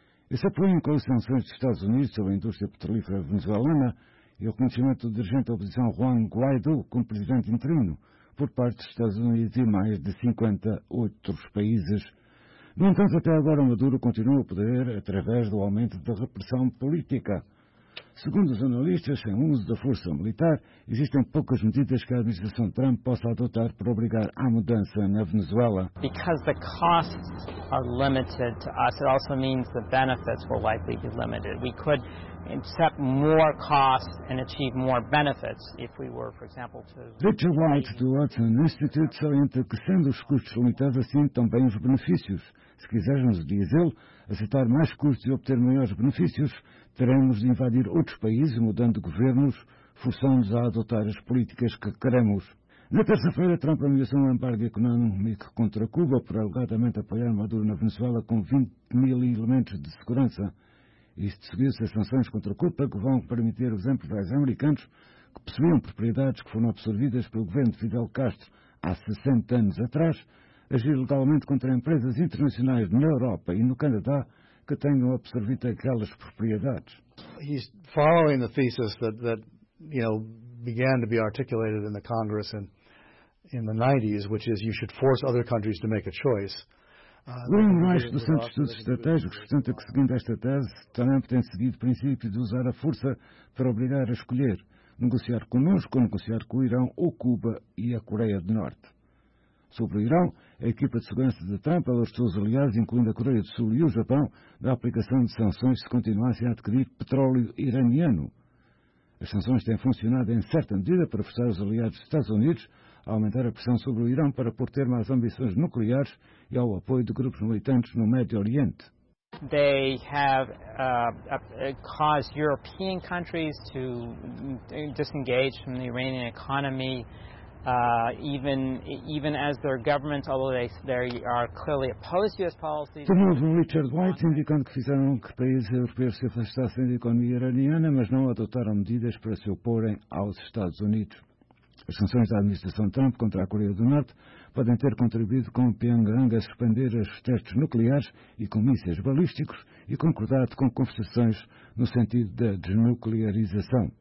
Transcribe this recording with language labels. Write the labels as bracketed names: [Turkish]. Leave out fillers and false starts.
[Portuguese] Esse apoio em concessões dos Estados Unidos sobre a indústria petrolífera venezuelana e o reconhecimento do dirigente da oposição Juan Guaidó como presidente interino por parte dos Estados Unidos e mais de 50 outros países. No entanto, até agora, Maduro continua a poder através do aumento da repressão política. Segundo os analistas, sem uso da força militar, existem poucas medidas que a administração Trump possa adotar para obrigar à mudança na Venezuela. [English] Because the costs are limited to us, it also means the benefits will likely be limited. We could accept more costs and achieve more benefits if we were, for example, to. [Portuguese] Richard White, do Hudson Institute, salienta que sendo os custos limitados assim também os benefícios. Se quisermos, diz ele, aceitar mais custos e obter maiores benefícios, teremos de invadir outros países, mudando governos, forçando-os a adotar as políticas que queremos. Na terça-feira, Trump ameaçou um embargo económico contra Cuba por alegadamente apoiar Maduro na Venezuela com 20 mil elementos de segurança. Isto seguiu-se as sanções contra Cuba, que vão permitir os empresários americanos que possuíam propriedades que foram absorvidas pelo governo de Fidel Castro há 60 anos atrás, agir legalmente contra empresas internacionais na Europa e no Canadá que tenham absorvido aquelas propriedades. [English] He's following the thesis that you know began to be articulated in the Congress in the 90s, which is you should force other countries to make a choice. [Portuguese] William Rice, do Centro de Estudos Estratégicos, sustenta que, seguindo esta tese, Trump tem seguido o princípio de usar a força para obrigar a escolher negociar connosco ou negociar com o Irão ou Cuba e a Coreia do Norte. Sobre o Irão, a equipa de segurança de Trump alertou os aliados, incluindo a Coreia do Sul e o Japão, da aplicação de sanções se continuassem a adquirir petróleo iraniano. As sanções têm funcionado em certa medida para forçar os aliados dos Estados Unidos a aumentar a pressão sobre o Irão para pôr termo às ambições nucleares e ao apoio de grupos militantes no Médio Oriente. [English] They have caused European countries to disengage from the Iranian economy. Even as their governments, although they are clearly opposed to U.S. policies. [Portuguese] De novo, Richard White indicando que fizeram que países europeus se afastassem da economia iraniana, mas não adotaram medidas para se oporem aos Estados Unidos. As sanções da administração Trump contra a Coreia do Norte podem ter contribuído com Pyongyang a suspender os testes nucleares e com mísseis balísticos e concordado com conversações no sentido da desnuclearização.